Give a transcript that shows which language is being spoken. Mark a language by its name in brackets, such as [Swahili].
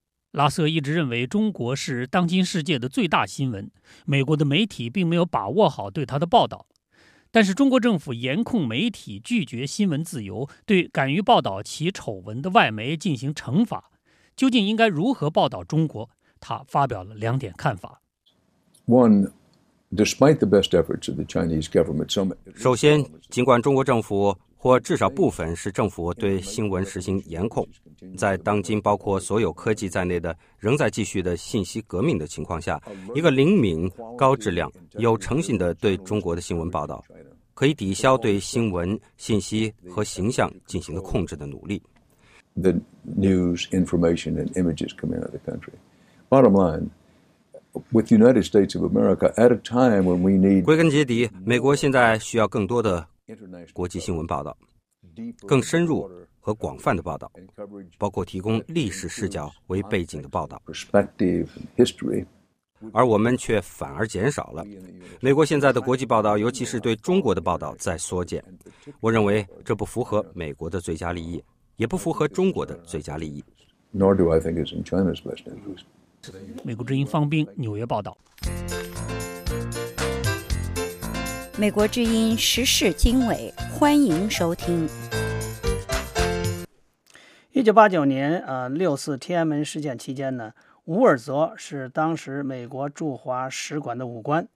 [Chinese] 拉瑟一直认为中国是当今世界的最大新闻，美国的媒体并没有把握好对他的报道。但是中国政府严控媒体，拒绝新闻自由，对敢于报道其丑闻的外媒进行惩罚，究竟应该如何报道中国？他发表了两点看法。 [English] One, despite the best efforts of the Chinese government, [Chinese] 首先，尽管中国政府或至少部分是政府对新闻实行严控，在当今包括所有科技在内的仍在继续的信息革命的情况下，一个灵敏、高质量、有诚信的对中国的新闻报道，可以抵消对新闻、信息和形象进行的控制的努力。 [English] The news, information, and images come out of the country. Bottom line. With the United States of America, at a time when we need, [Chinese] 归根结底，美国现在需要更多的国际新闻报道，更深入和广泛的报道，包括提供历史视角为背景的报道。 [English] Perspective history, [Chinese] 而我们却反而减少了。美国现在的国际报道，尤其是对中国的报道在缩减。我认为这不符合美国的最佳利益，也不符合中国的最佳利益。 [English] Nor do I think it's in China's best interest. [Chinese] 美国之音方冰纽约报道。美国之音时事经纬，欢迎收听。 1989年，六四天安门事件期间呢，伍尔泽是当时美国驻华使馆的武官。